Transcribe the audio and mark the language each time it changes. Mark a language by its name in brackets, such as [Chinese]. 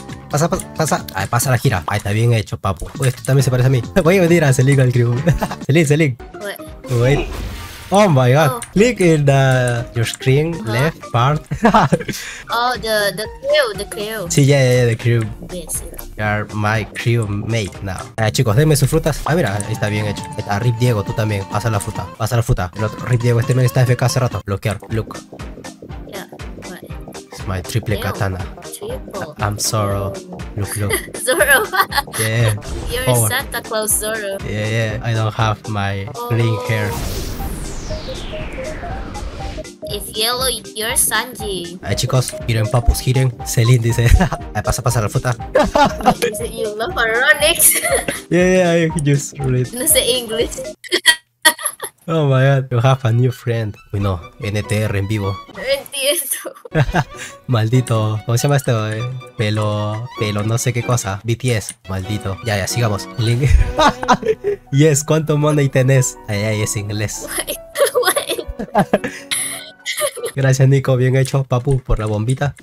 [Spanish] Pasa. Ahí pasa la gira, ahí está, bien hecho, papu. Uy, este también se parece a mí. Voy a venir a Selig al crew. Selig. [English] Wait. Oh my god. Oh. Click in the your screen left part. Oh, the crew. Sí, yeah, the crew. Yes. You are my crew mate now. Chicos, denme sus frutas. [Spanish] Ah, mira, ahí está, bien hecho. A Rip Diego, tú también. Pasa la fruta. El otro, Rip Diego, este men está FK hace rato. Bloquear. Look. [English] Yeah, what? It's my triple katana. I'm Zoro. Look. Zoro. Yeah. You're Santa Claus Zoro. Yeah. I don't have my green hair. If yellow, you're Sanji. [Spanish] Ay, chicos, giren, papus, giren. Celine dice. Ay, pasa la fruta. [English] You love ironics. Yeah, I just read. [Spanish] No sé inglés. [English] Oh my god, you have a new friend. [Spanish] Uy, no, NTR en vivo. No entiendo. Maldito, ¿cómo se llama este? Pelo, no sé qué cosa. BTS, maldito. Ya, sigamos. Link. Yes, ¿cuánto money tenés? Ay, es inglés. Gracias, Nico, bien hecho, papu, por la bombita.